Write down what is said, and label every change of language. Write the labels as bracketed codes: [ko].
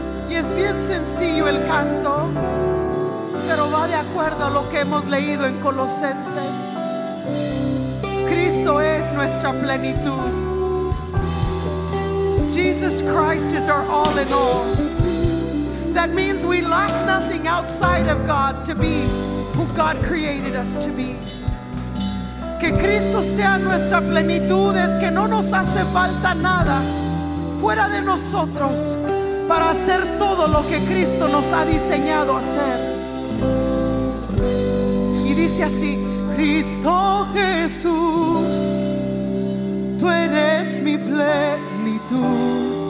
[es] Y es bien sencillo el canto, pero va de acuerdo a lo que hemos leído en Colosenses. Cristo es nuestra plenitud. [en] Jesus Christ is our all in all. That means we lack nothing outside of God to be who God created us to be. [es] Que Cristo sea nuestra plenitud es que no nos hace falta nada fuera de nosotros para hacer todo lo que Cristo nos ha diseñado hacer. Y dice así: Cristo Jesús, tú eres mi plenitud.